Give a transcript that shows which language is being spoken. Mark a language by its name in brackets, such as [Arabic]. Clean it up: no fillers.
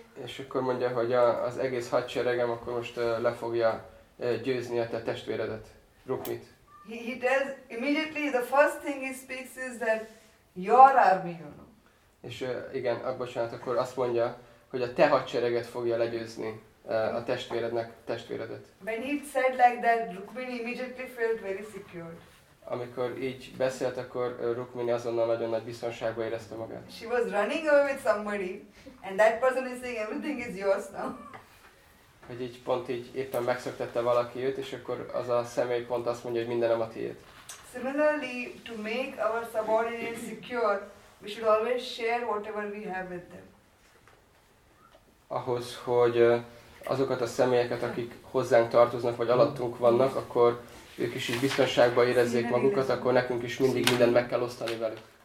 [Hungarian] És akkor mondja, hogy az egész hadseregem akkor most le fogja győzni a te testvéredet, Rukmit. [English] He tells immediately the first thing he speaks is that your army, you know. [Hungarian] És igen, bocsánat, akkor azt mondja, hogy a te hadsereged fogja legyőzni a testvérednek testvéredet. [English] When he said like that, Rukmini immediately felt very secured. [Hungarian] Amikor így beszélt, akkor Rukmini azonnal nagyon nagy biztonságban érezte magát. [English] She was running away with somebody, and that person is saying everything is yours now. [Hungarian] Hogy így pont így éppen megszöktette valaki őt, és akkor az a személy pont azt mondja, hogy mindenem a tiéd. [English] Similarly, to make our subordinates secure, we should always share whatever we have with them. [Hungarian] Ahhoz, hogy azokat a személyeket, akik hozzánk tartoznak, vagy alattunk vannak, akkor ők is így biztonságban érezzék magukat, akkor nekünk is mindig mindent meg kell osztani velük.